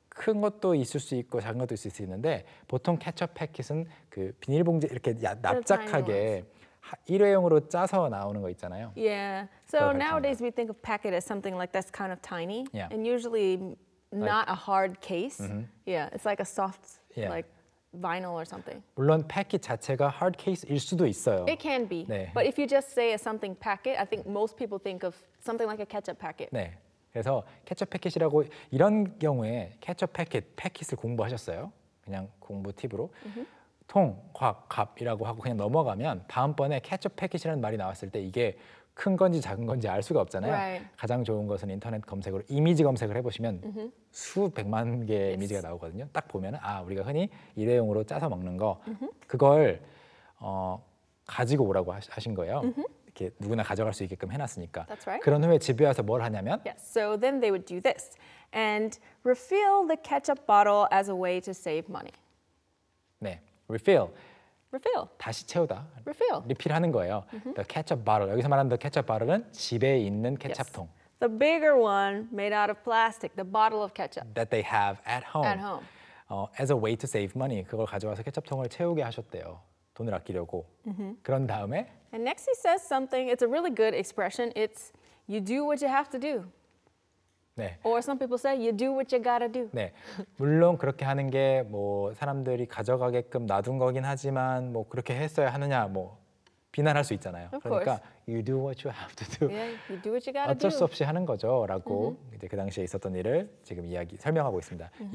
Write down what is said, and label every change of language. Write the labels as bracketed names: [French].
[Korean] 큰 것도 있을 수 있고 작은 것도 있을 수 있는데 보통 케첩 패킷은 그 비닐봉지 이렇게 납작하게 일회용으로 짜서 나오는 거 있잖아요. [English] Yeah. So nowadays we think of packet as something like that's kind of tiny yeah. and usually not like, a hard case. Mm-hmm. Yeah. It's like a soft yeah. like vinyl or something. [Korean] 물론 패킷 자체가 hard case일 수도 있어요. [English] It can be. [Korean] 네. [English] But if you just say something packet, I think most people think of something like a ketchup packet. [Korean] 네. 그래서 ketchup packet이라고 이런 경우에 ketchup packet, packet을 공부하셨어요? 그냥 공부 팁으로 [English] mm-hmm. [Korean] 통, 곽, 갑이라고 하고 그냥 넘어가면 다음번에 ketchup packet이라는 말이 나왔을 때 이게 큰 건지 작은 건지 알 수가 없잖아요. [English] Right. [Korean] 가장 좋은 것은 인터넷 검색으로 이미지 검색을 해보시면 [English] mm-hmm. [Korean] 수백만 개의 [English] yes. [Korean] 이미지가 나오거든요. 딱 보면 아 우리가 흔히 일회용으로 짜서 먹는 거 [English] mm-hmm. [Korean] 그걸 가지고 오라고 하신 거예요. [English] Mm-hmm. [Korean] 이렇게 누구나 가져갈 수 있게끔 해놨으니까. [English] That's right. [Korean] 그런 후에 집에 와서 뭘 하냐면 [English] Yes, so then they would do this. And refill the ketchup bottle as a way to save money. [Korean] 네, refill. [English] Refill. [Korean] 다시 채우다. [English] Refill. [Korean] 리필하는 거예요. [English] Mm-hmm. The ketchup bottle. [Korean] 여기서 말하는 the ketchup bottle은 집에 있는 케첩통. [English] Yes. The bigger one made out of plastic. The bottle of ketchup. That they have at home. At home. As a way to save money. [Korean] 그걸 가져와서 케첩통을 채우게 하셨대요. 돈을 아끼려고. [English] Mm-hmm. [Korean] 그런 다음에 [English] And next he says something. It's a really good expression. It's you do what you have to do. [Korean] 네. [English] Or some people say you do what you gotta do. [Korean] 네. 물론 그렇게 하는 게 뭐 사람들이 가져가게끔 놔둔 거긴 하지만 뭐 그렇게 했어야 하느냐 뭐 비난할 수 있잖아요. [English] Of [Korean] 그러니까 [English] course. you do what you have to do. Yeah, you do what you gotta [Korean] 어쩔 수 없이 하는 거죠라고 [English] mm-hmm. [Korean] 이제 그 당시에 있었던 일을 지금 이야기 설명하고 있습니다. [English] Mm-hmm.